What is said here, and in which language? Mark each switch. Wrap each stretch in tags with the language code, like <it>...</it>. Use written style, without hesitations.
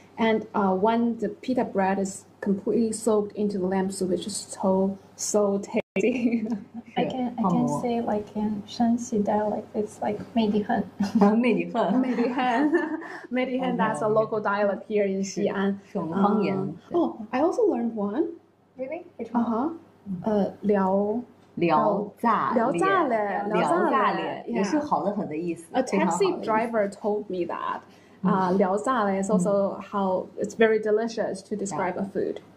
<en>And when the pita bread is completely soaked into the lamb soup, it's just so, so tasty. I can say like in Shanxi dialect, it's like Meidihen.</en> <zh>Meidihen. Meidihen.</zh> <en>Meidihen, that's a local dialect here in Xi'an. Oh, I also learned one. Really? Uh-huh. Liao.</en> <zh>聊炸了，也是好的很的意思。A</zh> <en>taxi driver told me that. 聊炸了 is also how it's very delicious to describe a food.</en>